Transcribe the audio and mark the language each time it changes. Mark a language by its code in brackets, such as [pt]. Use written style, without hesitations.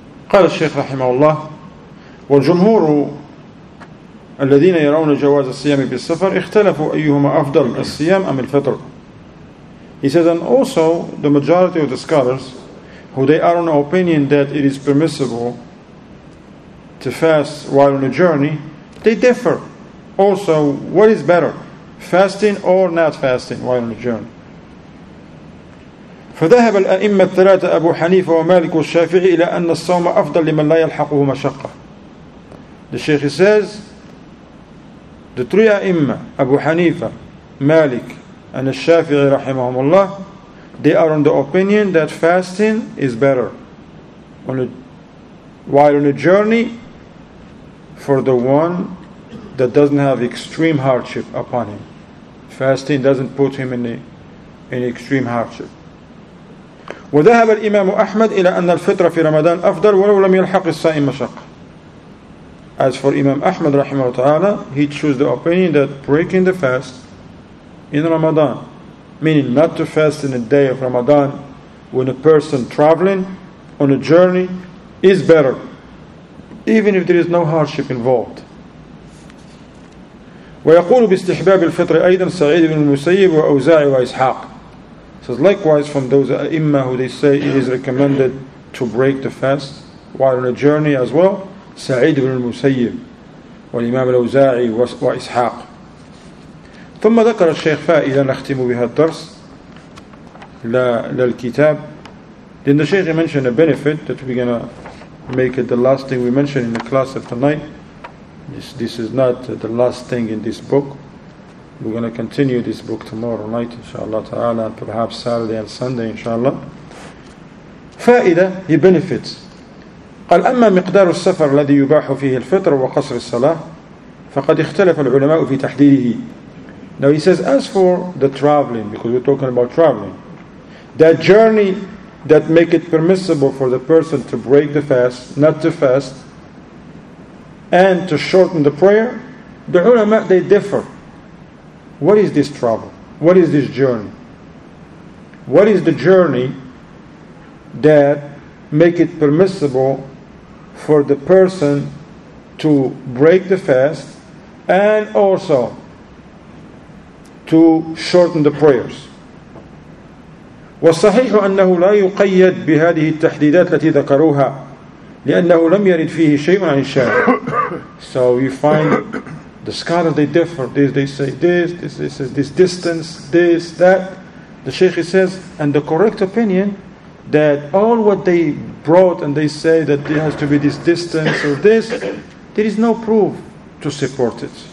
[ar] قال الشيخ رحمه الله: والجمهور الذين يرون جواز الصيام بالسفر اختلفوا أيهما أفضل، الصيام أم الفطر. [en] He said, and also the majority of the scholars who they are on the opinion that it is permissible to fast while on a journey, they differ also what is better, fasting or not fasting while on a journey. [ar] فذهب الأئمة الثلاثة أبو حنيفة ومالك والشافعي إلى أن الصوم أفضل لمن لا يلحقه مشقة. [en] The Sheikh says, the three A'imma, Abu Hanifa, Malik, and Al-Shafi'i rahimahumullah, they are on the opinion that fasting is better while on a journey for the one that doesn't have extreme hardship upon him. Fasting doesn't put him in extreme hardship. [ar] وذهب الإمام أحمد إلى أن الفطر في رمضان أفضل ولو لم يلحق الصائم مشقة. [en] As for Imam Ahmad رحمه وتعالى, he chose the opinion that breaking the fast in Ramadan, meaning not to fast in the day of Ramadan when a person traveling on a journey, is better, even if there is no hardship involved. [ar] ويقول باستحباب الفطر أيضا سعيد بن المسيب وأوزاعي وإسحاق. [en] Says likewise from those أئمة who they say it is recommended to break the fast while on a journey as well, سعيد بن المسيب والإمام الأوزاعي وإسحاق. [ar] ثم ذكر الشيخ فائدة نختم بها الدرس للكتاب. [en] Then the Sheikh mentioned a benefit that we're gonna make it the last thing we mention in the class of tonight. This is not the last thing in this book. We're gonna continue this book tomorrow night, inshallah ta'ala, perhaps Saturday and Sunday, inshallah. فائدة, he benefits. [ar] قال أما مقدار السفر الذي يباح فيه الفطر وقصر الصلاة فقد اختلف العلماء في تحديده. [en] Now he says, as for the traveling, because we're talking about traveling, that journey that make it permissible for the person to break the fast, not to fast, and to shorten the prayer, the ulama, they differ. What is this travel? What is this journey? What is the journey that make it permissible for the person to break the fast and also to shorten the prayers. [ar] والصحيح أنه لا يقيد بهذه التحديدات التي ذكروها لأنه لم يرد فيه شيء عن الشارع. [en] So you find the scholars, they differ. They say this, this is this distance, this, that. The Sheikh says, and the correct opinion that all what they brought and they say that there has to be this distance or this, there is no proof to support it.